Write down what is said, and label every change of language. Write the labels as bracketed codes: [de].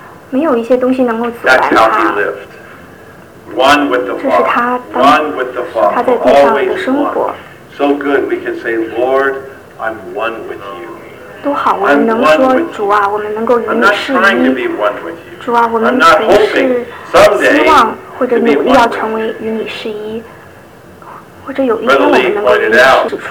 [zh] 没有一些东西能够阻拦他。 [en] That's how he lived. One with the Father. [zh] 这是他当他在地上的生活。 [en] So good, we can say, Lord, I'm one with you. [zh] 都好，我们能说主啊，我们能够与你是一。主啊，我们不是希望或者努力要成为与你是一，或者有一天我们能够与你是主。